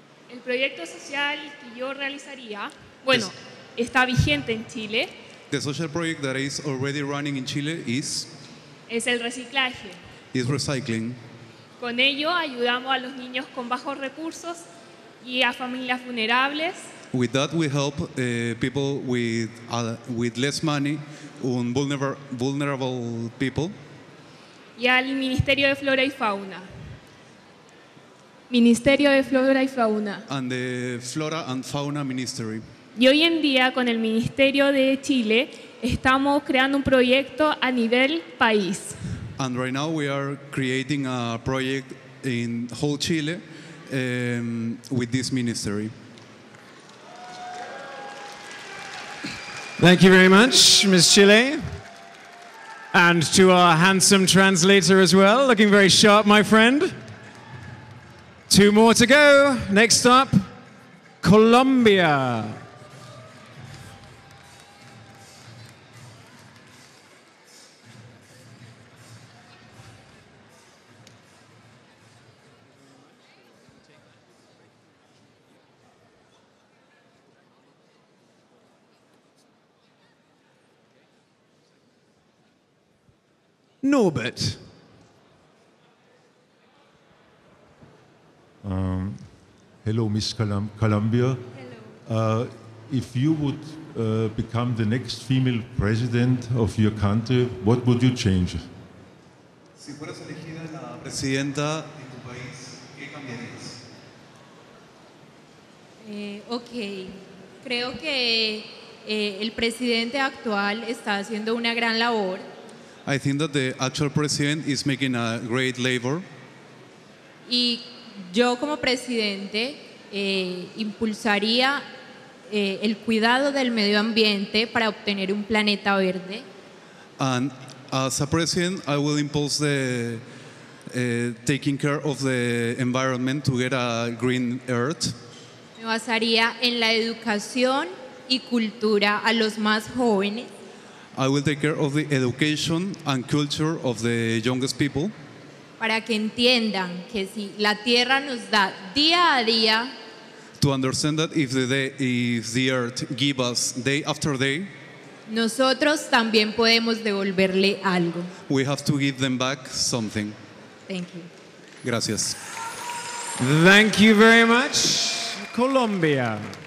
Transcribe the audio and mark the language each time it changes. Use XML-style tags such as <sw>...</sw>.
<es>El proyecto social que yo realizaría, bueno, está vigente en Chile.</es> <en>The social project that is already running in Chile is?</en> <es>Es el reciclaje.</es> <en>Is recycling.</en> <es>Con ello ayudamos a los niños con bajos recursos y a familias vulnerables.</es> <en>With that we help people with less money, vulnerable people.</en> <es>Y al Ministerio de Flora y Fauna. Ministerio de Flora y Fauna.</es> <en>And the Flora and Fauna Ministry.</en> <es>Y hoy en día con el Ministerio de Chile estamos creando un proyecto a nivel país.</es> <en>And right now we are creating a project in whole Chile with this ministry. Thank you very much, Ms. Chile. And to our handsome translator as well, looking very sharp, my friend. Two more to go. Next up, Colombia. Norbert. Hello, Miss Columbia. Hello. If you would become the next female president of your country, what would you change?</en> <es>Si fueras elegida la presidenta de tu país, ¿qué cambiarías?</es> <en>Okay.</en> <es>Creo que el presidente actual está haciendo una gran labor.</es> <en>I think that the actual president is making a great labor.</en> <es>Y yo como presidente impulsaría el cuidado del medio ambiente para obtener un planeta verde.</es> <en>And as a president, I will impulse the taking care of the environment to get a green earth.</en> <es>Me basaría en la educación y cultura a los más jóvenes.</es> <en>I will take care of the education and culture of the youngest people.</en> <es>Para que entiendan que si la tierra nos da día a día.</es> <en>To understand that if the earth gives us day after day.</en> <es>Nosotros también podemos devolverle algo.</es> <en>We have to give them back something. Thank you.</en> <es>Gracias.</es> <en>Thank you very much, Colombia.</en>